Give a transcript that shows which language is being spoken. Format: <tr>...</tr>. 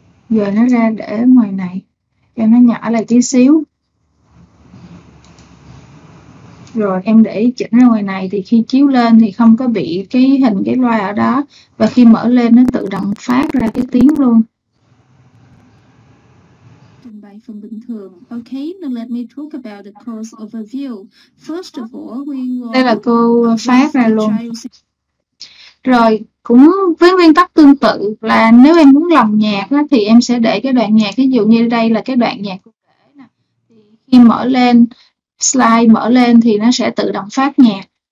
<vi>Dời nó ra để ngoài này, cho nó nhỏ lại tí xíu. Rồi em để chỉnh ra ngoài này thì khi chiếu lên thì không có bị cái hình cái loa ở đó. Và khi mở lên nó tự động phát ra cái tiếng luôn. Trình bày phần bình thường.</vi> <en>Ok, now let me talk about the course overview. First of all, we will...</en> <vi>Đây là cô phát ra luôn. Rồi, cũng với nguyên tắc tương tự là nếu em muốn lồng nhạc đó, thì em sẽ để cái đoạn nhạc. Ví dụ như đây là cái đoạn nhạc cụ thể nè. Thì khi mở lên... Slide mở lên thì nó sẽ tự động phát nhạc.</vi>